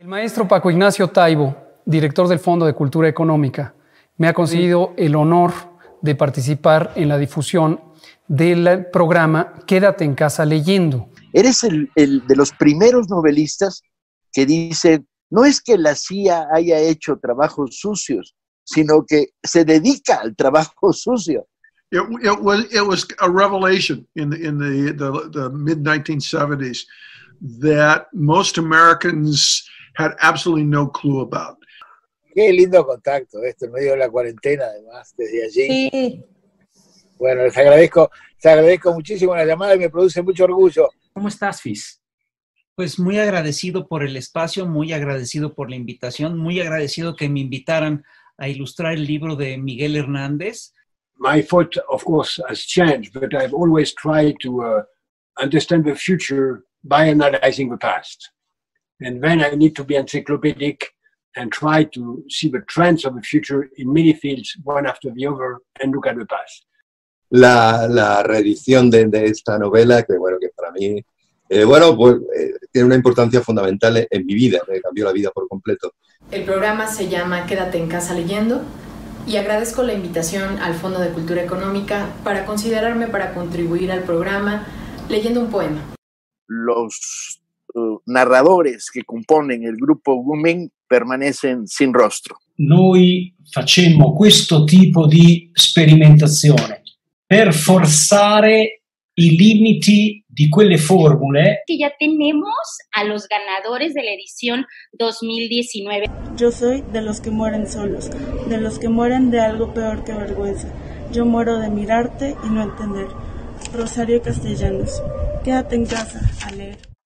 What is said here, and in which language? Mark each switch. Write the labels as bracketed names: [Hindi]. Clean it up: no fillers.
[Spanish] El maestro Paco Ignacio Taibo, director del Fondo de Cultura Económica, me ha concedido el honor de participar en la difusión del programa Quédate en Casa Leyendo. Eres el de los primeros novelistas que dice: no es que la CIA haya hecho trabajos sucios, sino que se dedica al trabajo sucio. [English] It was a revelation in the mid-1970s that most Americans had absolutely no clue about. [Spanish] Qué lindo contacto este, en medio de la cuarentena, además, desde allí. Sí. Bueno, les agradezco muchísimo la llamada y me produce mucho orgullo. ¿Cómo estás, Fis? Pues muy agradecido por el espacio, muy agradecido por la invitación, muy agradecido que me invitaran a ilustrar el libro de Miguel Hernández. [English] My foot, of course, has changed, but I've always tried to understand the future by analyzing the past. And then I need to be encyclopedic and try to see the trends of the future in many fields, one after the other, and look at the past. [Spanish] La reedición de esta novela, que bueno, que para mí... tiene una importancia fundamental en mi vida, me cambió la vida por completo. El programa se llama Quédate en Casa Leyendo y agradezco la invitación al Fondo de Cultura Económica para considerarme para contribuir al programa leyendo un poema. Los narradores que componen el grupo Gumming permanecen sin rostro. [Italian] Noi facemmo questo tipo di sperimentazione per forzare i limiti di quelle formule. [Spanish] Que ya tenemos a los ganadores de la edición 2019. Yo soy de los que mueren solos, de los que mueren de algo peor que vergüenza. Yo muero de mirarte y no entender. Rosario Castellanos, quédate en casa a leer.